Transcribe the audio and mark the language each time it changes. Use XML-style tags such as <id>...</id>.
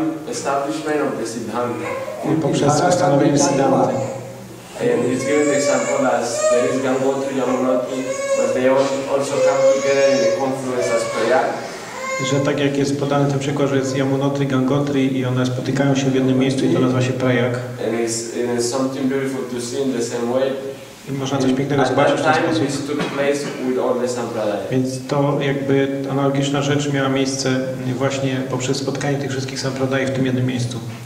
<en>Establishment of the Siddhanta.</en> <pl>I poprzez ustanowienie Siddhanta.</pl> <en>And he's given the example as there is Gangotri, Yamunotri, but they also come together in the confluence as Prayag.</en> <pl>Że tak jak jest podany ten przykład, że jest Yamunotri, Gangotri i one spotykają się w jednym miejscu i to nazywa się Prayag.</pl> <en>And it's something beautiful to see in the same way.</en> <pl>I można coś pięknego zobaczyć w ten sposób.</pl> <en>This took place with all the Sampradaya.</en> <pl>Więc to jakby analogiczna rzecz miała miejsce właśnie poprzez spotkanie tych wszystkich Sampradaj w tym jednym miejscu.</pl>